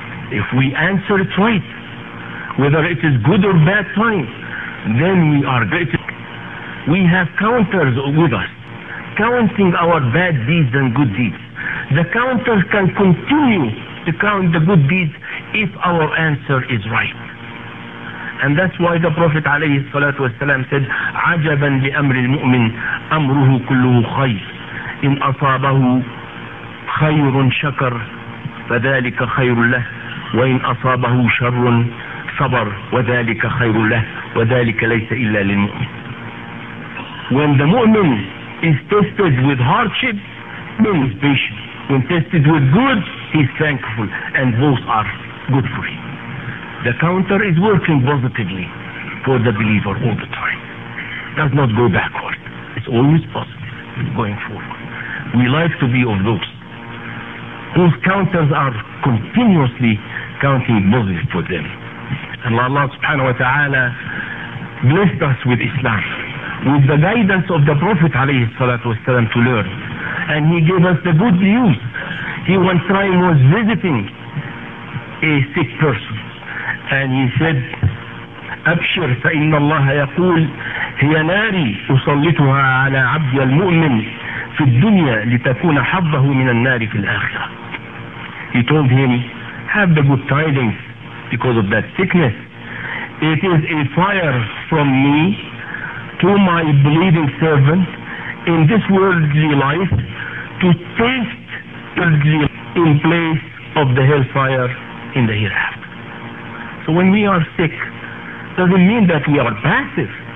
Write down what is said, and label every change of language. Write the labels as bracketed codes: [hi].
[en] If we answer it right, whether it is good or bad time, then we are great. We have counters with us, counting our bad deeds and good deeds. The counters can continue to count the good deeds if our answer is right. And that's why the Prophet [ar] عليه الصلاة والسلام said, عَجَبًا لِأَمْرِ الْمُؤْمِنِ أَمْرُهُ كُلُّهُ خَيْرٌ إِنْ أَصَابَهُ خَيْرٌ شَكَرٌ فَذَلِكَ خَيْرٌ لَهُ وَإِنْ أَصَابَهُ شَرٌ صَبَرٌ وَذَلِكَ خَيْرٌ لَهُ وَذَلِكَ لَيْسَ إِلَّا لِلْمُؤْمِنِ. [en] When the mu'min is tested with hardship, he is patient. When tested with good, he is thankful, and both are good for him. The counter is working positively for the believer all the time. Does not go backward. It's always positive going forward. We like to be of those whose counters are continuously counting positive for them. And Allah subhanahu wa ta'ala blessed us with Islam, with the guidance of the Prophet alayhi salatu wasalam to learn. And he gave us the good news. He one time was visiting a sick person. And he said, [ar] أبشر فإن الله يقول هي ناري أسلطها على عبد المؤمن في الدنيا لتكون حظه من النار في الآخرة. [en] He told him, have the good tidings because of that sickness. It is a fire from me to my believing servant in this worldly life to taste worldly in place of the hellfire in the hereafter. So when we are sick, doesn't mean that we are passive.